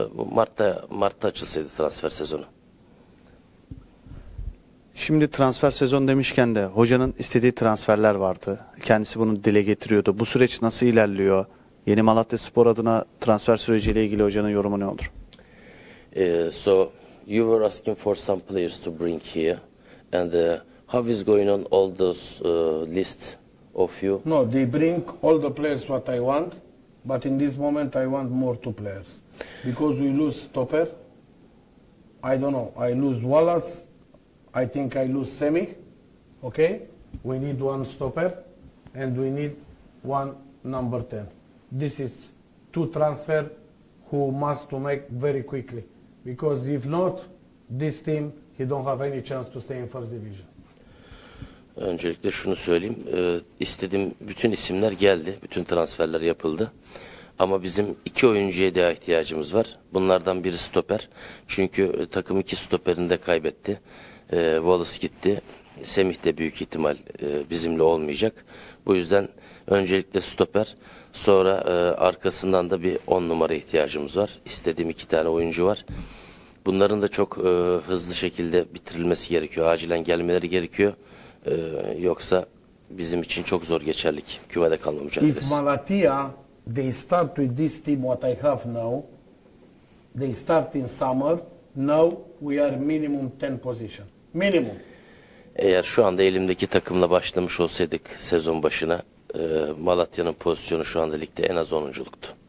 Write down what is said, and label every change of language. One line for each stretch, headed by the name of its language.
Turkish: Mart'ta açılsaydı transfer sezonu. Şimdi transfer sezonu demişken de hocanın istediği transferler vardı. Kendisi bunu dile getiriyordu. Bu süreç nasıl ilerliyor? Yeni Malatya Spor adına transfer süreciyle ilgili hocanın yorumu ne olur?
English: So you were asking for some players to bring here. And how is going on all those list of you? No, they bring all the players what I want. But in this moment I want more two players. Because we lose stopper. I don't know. I lose Wallace. I think I lose Semi, okay? We need one stopper, and we need one number 10. This is two transfer who must to make very quickly. Because if not, this team, he don't have any chance to stay in first division.
Turkish: Öncelikle şunu söyleyeyim. İstediğim bütün isimler geldi, bütün transferler yapıldı. Ama bizim iki oyuncuya daha ihtiyacımız var. Bunlardan biri stoper. Çünkü takım iki stoperini de kaybetti. Wallace gitti. Semih de büyük ihtimal bizimle olmayacak. Bu yüzden öncelikle stoper, sonra arkasından da bir 10 numara ihtiyacımız var. İstediğim iki tane oyuncu var. Bunların da çok hızlı şekilde bitirilmesi gerekiyor. Acilen gelmeleri gerekiyor. Yoksa bizim için çok zor geçerlik. Kümede kalma mücadelesi.
English: If Malatya, they start with this team what I have now, they start in summer, now we are minimum 10 position. Minimum.
Turkish: Eğer şu anda elimdeki takımla başlamış olsaydık sezon başına, Malatya'nın pozisyonu şu anda ligde en az 10'unculuktu.